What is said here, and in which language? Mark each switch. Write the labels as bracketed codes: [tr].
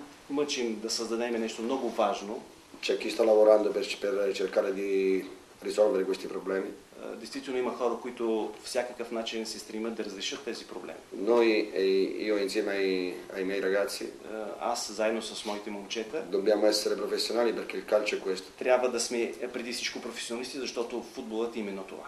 [bg] Мъчим да създадем нещо много важно. [it] C'è chi sta lavorando per cercare di risolvere questi problemi. [bg] Действително има хора, които всякакъв начин се стремят да разрешат тези проблеми. [it] Noi e io insieme ai miei ragazzi. [bg] Аз заедно с моите момчета. [it] Dobbiamo essere professionali perché il calcio è questo. [bg] Трябва да сме преди всичко професионалисти, защото футболът е именно това.